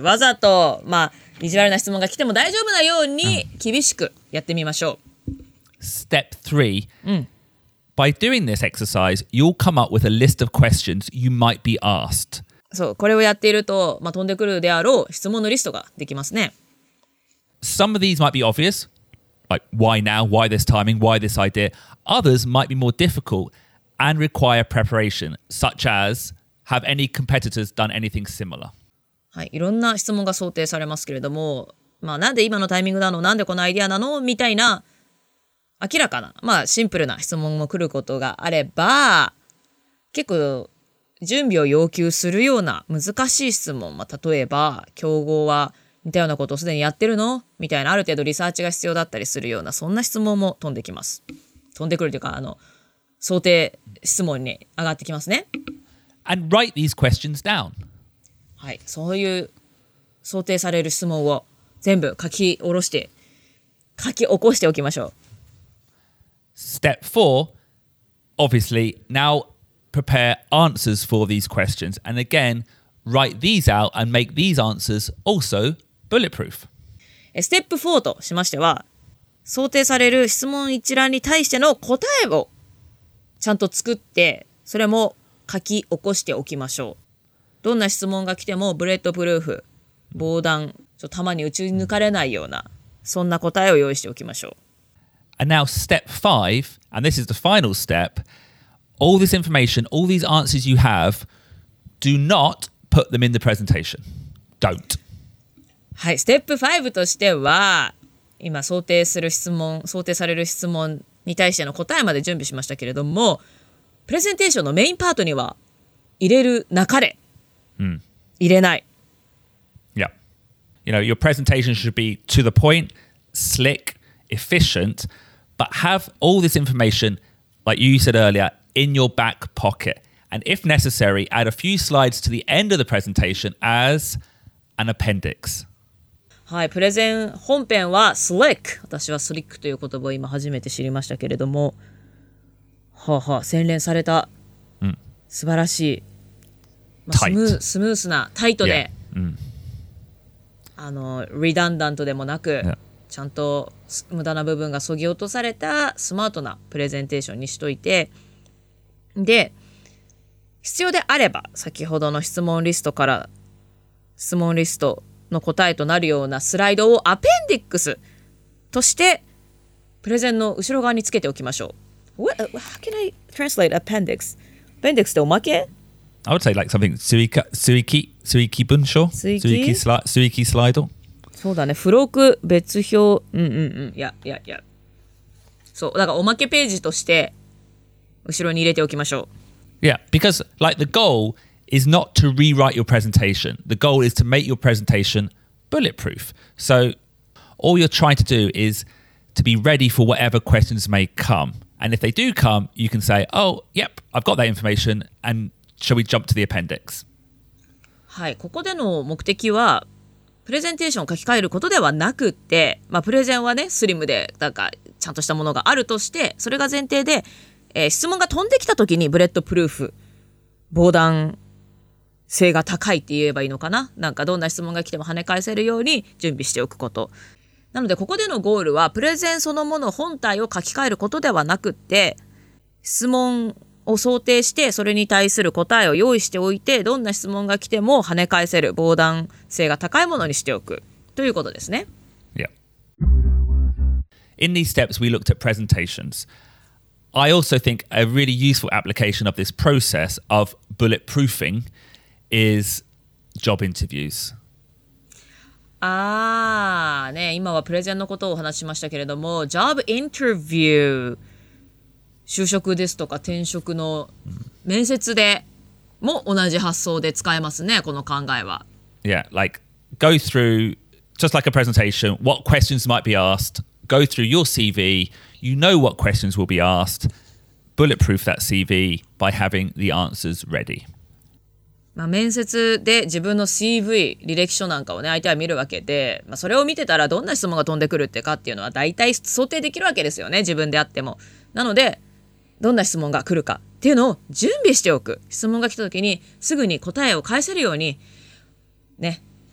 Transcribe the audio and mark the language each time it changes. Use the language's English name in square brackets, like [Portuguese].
[Japanese] わざと、まあ、意地悪な質問が来ても大丈夫なように厳しくやってみましょう。 [English] Step 3. [Japanese] うん。 [English] By doing this exercise, you'll come up with a list of questions you might be asked. [Japanese] そう、これをやっていると、まあ、飛んでくるであろう質問のリストができますね。 [English] Some of these might be obvious, like, why now? Why this timing? Why this idea? Others might be more difficult and require preparation, such as, have any competitors done anything similar? [Japanese] はい、いろんな質問が想定されますけれども、まあ、なんで今のタイミングなの？なんでこのアイデアなの？みたいな明らかな、まあ、シンプルな質問も来ることがあれば、結構準備を要求するような難しい質問、まあ、例えば競合は似たようなことをすでにやってるの？みたいな、ある程度リサーチが必要だったりするような、そんな質問も飛んできます。飛んでくるというか、あの想定質問に上がってきますね。 [English] And write these questions down. [Japanese] はい、そういう想定される質問を全部書き下ろして、書き起こしておきましょう。 [English] Step 4, obviously, now prepare answers for these questions. And again, write these out and make these answers also bulletproof. [Japanese] Step 4としましては、想定される質問一覧に対しての答えをちゃんと作って、それも書き起こしておきましょう。どんな質問が来てもブレットプルーフ、防弾、ちょっと弾に打ち抜かれないような、そんな答えを用意しておきましょう。 [English] And now step 5, and this is the final step. All this information, all these answers you have, do not put them in the presentation. Don't. [Japanese] はい、ステップ5としては、今想定する質問、想定される質問に対しての答えまで準備しましたけれども、プレゼンテーションのメインパートには入れるなかれ、入れない。 [English] Yeah. You know, your presentation should be to the point, slick, efficient, but have all this information, like you said earlier, in your back pocket. And if necessary, add a few slides to the end of the presentation as an appendix. [Japanese] はい、プレゼン本編はスリック、私はスリックという言葉を今初めて知りましたけれども、はあ、はあ、洗練された、うん、素晴らしい、まあ、スムースなタイトで、 yeah. うん、あのリダンダントでもなく、yeah. ちゃんと無駄な部分がそぎ落とされたスマートなプレゼンテーションにしといて、で必要であれば先ほどの質問リストから、質問リストの答えとなるようなスライドをアペンディックスとしてプレゼンの後ろ側につけておきましょう。 [English] How can I translate appendix? Appendix [Japanese] っておまけ? [English] I would say like something [Japanese] 追記文書?追記スライド? そうだね、付録別表、うんうんうん、いや。そう、だからおまけページとして後ろに入れておきましょう。 [English] Yeah, because like the goalis not to rewrite your presentation. The goal is to make your presentation bulletproof. So all you're trying to do is to be ready for whatever questions may come. And if they do come, you can say, oh, yep, I've got that information, and shall we jump to the appendix? [Japanese] はい、ここでの目的はプレゼンテーションを書き換えることではなくって、まあ、プレゼンはね、スリムでなんかちゃんとしたものがあるとして、それが前提で、質問が飛んできた時にブレットプルーフ、防弾性が高いって言えばいいのかな、なんかどんな質問が来ても跳ね返せるように準備しておくこと。なのでここでのゴールはプレゼンそのもの本体を書き換えることではなくって、質問を想定してそれに対する答えを用意しておいて、どんな質問が来ても跳ね返せる防弾性が高いものにしておくということですね。 [English] Yeah. In these steps we looked at presentationsI also think a really useful application of this process of bulletproofing is job interviews. [Japanese] Ah, ね、今はプレゼンのことをお話しましたけれども、job interview、就職ですとか転職の面接でも同じ発想で使えますね、この考えは。 [English] Yeah, like go through, just like a presentation, what questions might be asked, go through your CV,You know what questions will be asked. Bulletproof that CV by having the answers ready. [Japanese] まあ面接で自分の CV、履歴書なんかをね、相手は見るわけで、まあ、それを見てたらどんな質問が飛んでくるってかっていうのは大体想定できるわけですよね、自分であっても。なので、どんな質問が来るかっていうのを準備しておく。質問が来た時にすぐに答えを返せるように、ね。